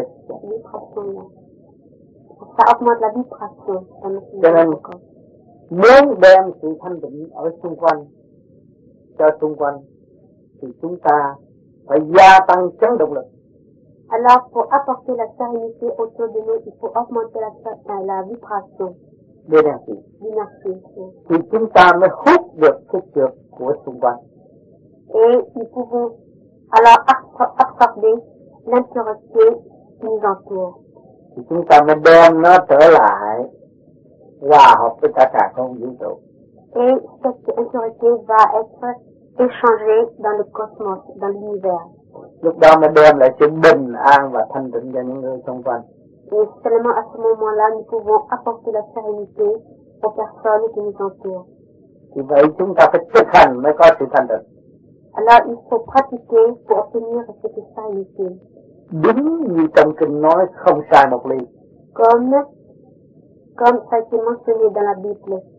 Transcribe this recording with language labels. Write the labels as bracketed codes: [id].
[fr] Ça augmente la vibration dans notre microcosme. [vi] Muốn đem sự thanh tịnh ở xung quanh cho xung quanh thì chúng ta phải gia tăng chấn động lực. [fr] Alors pour apporter la sérénité autour de nous, il faut augmenter la vibration. L'énergie. [vi] Thì chúng ta mới hút được sức trượt của xung quanh. [fr] Et nous pouvons alors absorber l'intensité qui nous entoure. [vi] Thì chúng ta mới đem nó trở lại hòa hợp với tất cả không vũ trụ. [fr] Et cette intensité va être échangée dans le cosmos, dans l'univers. [vi] Lúc đó mới đem lại sự bình an và thanh tịnh cho những người xung quanh. [fr] Et seulement à ce moment-là, nous pouvons apporter la sérénité aux personnes qui nous entourent. [vi] Thì vậy chúng ta phải thực hành mới có sự thanh tịnh. [fr] Alors il faut pratiquer pour obtenir cette sérénité. [vi] Đúng như trong kinh nói, không sai một ly. [fr] Comme ça a été mentionné dans la Bible.